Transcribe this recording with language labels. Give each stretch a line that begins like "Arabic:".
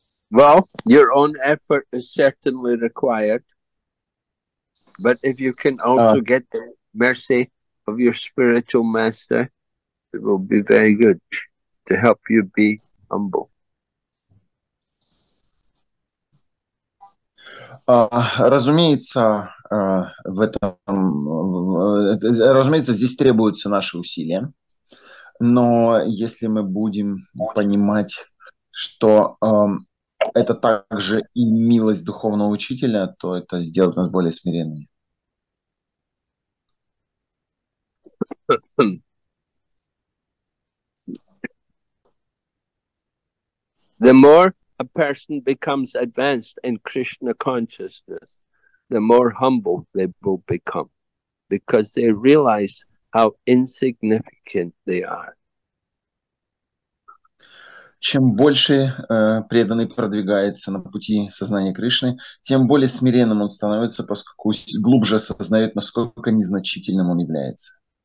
English: Well, your own effort is certainly required, but if you can also get the mercy of your spiritual master, it will be very good to help you be humble.
Russian: Разумеется, в этом, разумеется, здесь требуются наши усилия, но если мы будем понимать, что это также и милость духовного учителя, то это сделает нас более смиренными.
English: The more a person becomes advanced in Krishna consciousness, the more humble they will become, because they realize how insignificant they are.
Russian: Чем больше преданный продвигается на пути сознания Кришны, тем более смиренным он становится, поскольку глубже осознает, насколько незначительным он является.